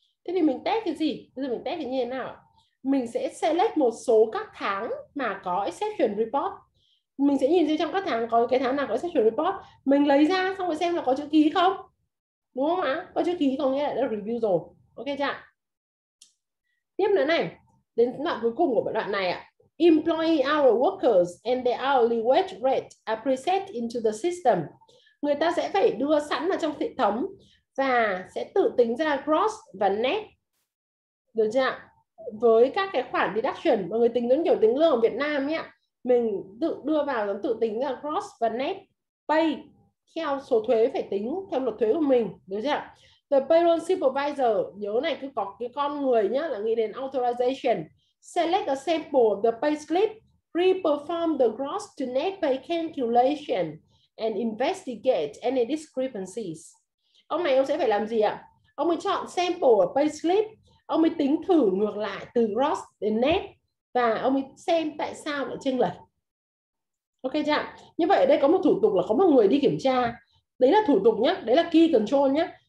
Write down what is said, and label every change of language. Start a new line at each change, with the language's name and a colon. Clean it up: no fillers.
Vietnamese: Thế thì mình test cái gì? Bây giờ mình test cái như thế nào? Mình sẽ select một số các tháng mà có exception report. Mình sẽ nhìn xem trong các tháng có cái tháng nào có exception report. Mình lấy ra xong rồi xem là có chữ ký không? Đúng không ạ? Có chữ ký có nghĩa là đã review rồi. Ok chưa ạ? Tiếp nữa này, đến đoạn cuối cùng của đoạn này ạ.
English: Employee hour workers and their hourly wage rate are preset into the system.
Vietnamese: Người ta sẽ phải đưa sẵn vào trong hệ thống và sẽ tự tính ra gross và net. Được chưa ạ? Với các cái khoản deduction, mọi người tính đến kiểu tính lương ở Việt Nam ấy ạ. Mình tự đưa vào và tự tính ra gross và net pay theo số thuế phải tính theo luật thuế của mình. Được chưa ạ?
English: The payroll supervisor,
Vietnamese: nhớ này, cứ có cái con người nhá, là nghĩ đến authorization.
English: Select a sample of the pay slip, re-perform the gross to net pay calculation and investigate any discrepancies.
Vietnamese: Ông này ông sẽ phải làm gì ạ? Ông ấy chọn
English: sample of pay slip,
Vietnamese: ông ấy tính thử ngược lại từ gross đến net và ông ấy xem tại sao lại chênh lệch. Ok chưa? Như vậy ở đây có một thủ tục là có một người đi kiểm tra. Đấy là thủ tục nhá, đấy là key control nhá.